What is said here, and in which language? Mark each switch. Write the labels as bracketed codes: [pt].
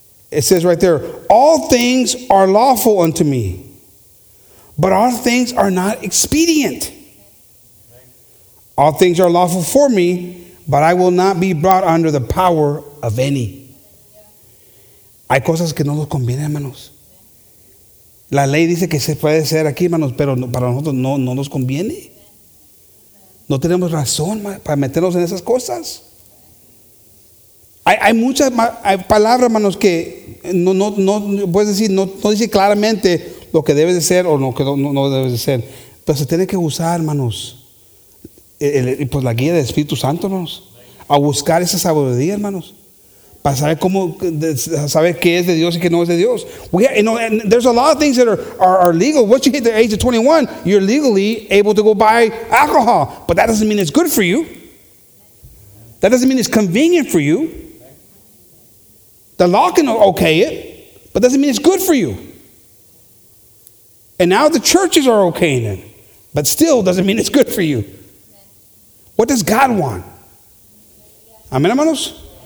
[en] It says right there, all things are lawful unto me, but all things are not expedient. All things are lawful for me, but I will not be brought under the power of any. [es] Hay cosas que no nos convienen, hermanos. La ley dice que se puede ser aquí, hermanos, pero para nosotros no nos conviene. No tenemos razón para meternos en esas cosas. Hay muchas palabras, hermanos, que no puedes decir, no dice claramente lo que debe de ser o lo que no debe de ser. Pero se tiene que usar, hermanos, pues la guía del Espíritu Santo, hermanos, a buscar esa sabiduría, hermanos, para saber saber qué es de Dios y qué no es de Dios. [en] And there's a lot of things that are legal. Once you hit the age of 21, you're legally able to go buy alcohol. But that doesn't mean it's good for you. That doesn't mean it's convenient for you. The law can okay it, but doesn't mean it's good for you. And now the churches are okaying it, but still doesn't mean it's good for you. What does God want? Amen, hermanos?